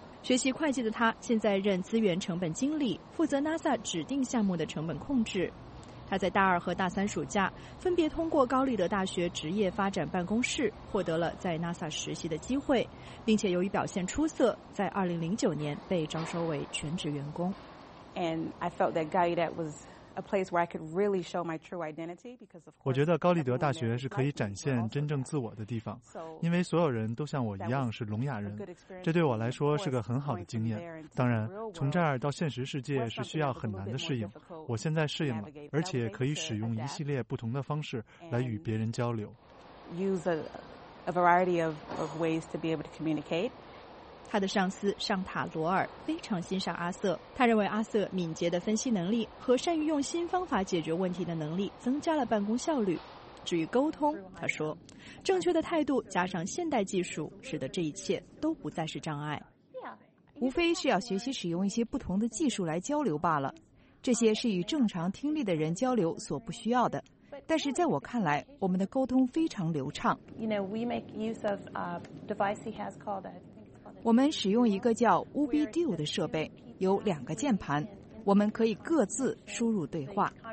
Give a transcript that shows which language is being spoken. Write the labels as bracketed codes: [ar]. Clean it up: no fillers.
[zh] 学习会计的他现在任资源成本经理，负责 NASA 指定项目的成本控制。他在大二和大三暑假分别通过高利德大学职业发展办公室获得了在 NASA 实习的机会，并且由于表现出色，在2009年被招收为全职员工。 [en] And I felt that Gallaudet was a place where I could really show my true identity because of. [zh] 我觉得高利德大学是可以展现真正自我的地方，因为所有人都像我一样是聋哑人，这对我来说是个很好的经验。当然，从这儿到现实世界是需要很难的适应，我现在适应了，而且可以使用一系列不同的方式来与别人交流。 [en] Use a variety of ways to be able to communicate. [zh] 他的上司尚塔罗尔非常欣赏阿瑟，他认为阿瑟敏捷的分析能力和善于用新方法解决问题的能力增加了办公效率。至于沟通，他说，正确的态度加上现代技术，使得这一切都不再是障碍。无非是要学习使用一些不同的技术来交流罢了，这些是与正常听力的人交流所不需要的。但是在我看来，我们的沟通非常流畅。 [en] You know, we make use of a device he has called it. [zh] 我们使用一个叫 UbiDuo 的设备，有两个键盘，我们可以各自输入对话。